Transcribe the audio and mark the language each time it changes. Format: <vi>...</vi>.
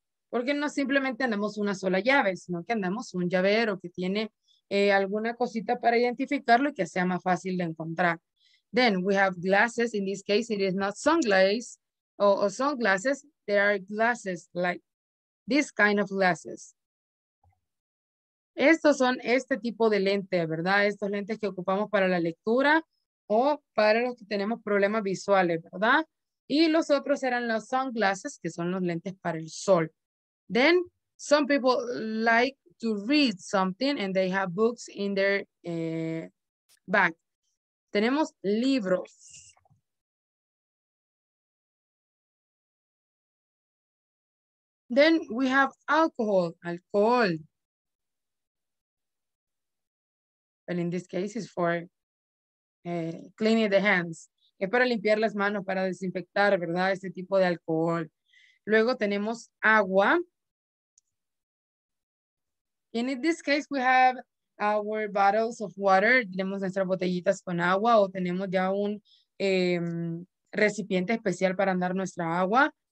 <es>Porque no simplemente andamos una sola llave, sino que andamos un llavero que tiene alguna cosita para identificarlo y que sea más fácil de encontrar.</es> <en>Then we have glasses. In this case, it is not sunglasses or sunglasses. There are glasses like this kind of glasses.</en> <es>Estos son este tipo de lente, ¿verdad? Estos lentes que ocupamos para la lectura o para los que tenemos problemas visuales, ¿verdad? Y los otros eran los sunglasses, que son los lentes para el sol.</es> <en>Then some people like to read something and they have books in their bag.</en> <es>Tenemos libros.</es> <en>Then we have alcohol. Alcohol. And in this case it's for cleaning the hands.</en> <es>Es para limpiar las manos, para desinfectar, ¿verdad? Este tipo de alcohol. Luego tenemos agua.</es> <en>In this case, we have our bottles of water.</en> <es>Tenemos nuestras botellitas con agua o tenemos ya un recipiente especial para andar nuestra agua.</es>